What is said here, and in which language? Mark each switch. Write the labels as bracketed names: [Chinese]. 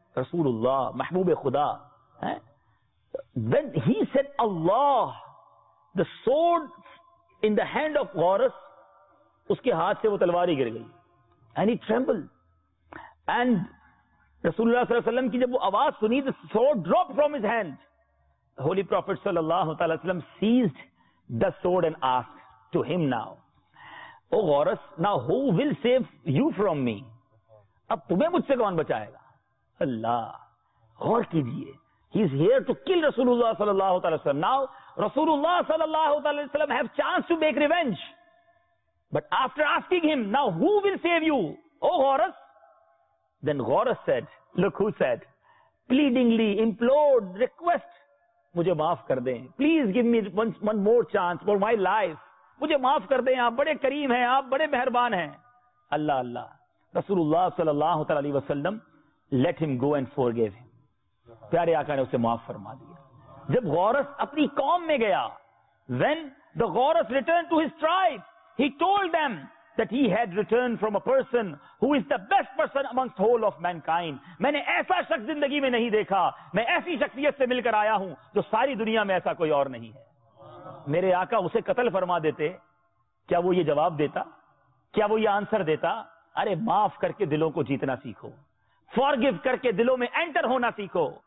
[English] Rasulullah, Mahbub-e-Khuda. When he said Allah, the sword in the hand of Ghawras, [Urdu] uske haath se wo talwar hi gir gayi. [English] And he trembled. And Rasulullah sallallahu alaihi wasallam [Urdu] ki jab wo awaaz suni, [English] the sword dropped from his hand. The Holy Prophet sallallahu alaihi wasallam seized the sword and asked to him now, O Ghawras, now who will save you from me? [Urdu] اب تمہیں مجھ سے کون بچائے گا؟ اللہ. غور کیجئے, [English] he is here to kill Rasulullah sallallahu alaihi wasallam. Now Rasulullah sallallahu alaihi wasallam have chance to make revenge, but after asking him, now who will save you, oh Ghawras? Then Ghawras said, look who said, pleadingly implored, request, [Urdu] مجھے معاف کر دیں, [English] please give me one more chance for my life, [Urdu] مجھے معاف کر دیں, آپ بڑے کریم ہیں, آپ بڑے مہربان ہیں. [English] اللہ اللہ, رسول اللہ صلی اللہ علیہ وسلم let him go and forgive him. [Urdu] پیارے آقا نے اسے معاف فرما دیا. جب غورس اپنی قوم میں گیا, [English] when the غورس returned to his tribe, he told them that he had returned from a person who is the best person amongst whole of mankind. [Urdu] میں نے ایسا شخص زندگی میں نہیں دیکھا, میں ایسی شخصیت سے مل کر آیا ہوں جو ساری دنیا میں ایسا کوئی اور نہیں ہے. میرے آقا اسے قتل فرما دیتے, کیا وہ یہ جواب دیتا؟ کیا وہ یہ آنسر دیتا؟ ارے معاف کر کے دلوں کو جیتنا سیکھو, فارگیو کر کے دلوں میں انٹر ہونا سیکھو.